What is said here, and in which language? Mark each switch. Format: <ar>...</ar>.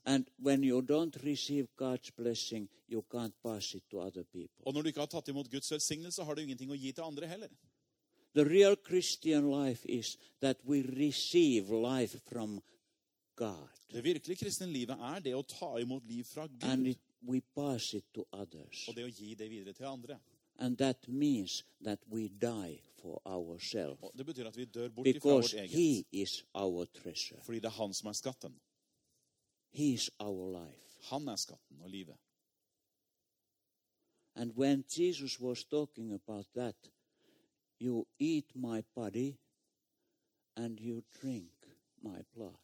<en>And when you don't receive God's blessing, you can't pass it to other people.</en> <no>Og når du ikke har tatt imot Guds velsignelse, har du ingenting å gi til andre heller.</no> <en>The real Christian life is that we receive life from God.</en> <no>Det virkelige kristne livet det å ta imot liv fra Gud.</no> <en>And we pass it to others.</en> <no>Og det å gi det videre til andre.</no> <en>And that means that we die for ourselves.</en> <no>Det betyr at vi dør bort</no> <en>because</en> <no>vårt eget.</no> <en>He is our treasure.</en> <no>Fordi det han som skatten.</no> <en>He is our life.</en> <no>Han skatten og livet.</no> <en>And when Jesus was talking about that, you eat my body and you drink my blood.</en>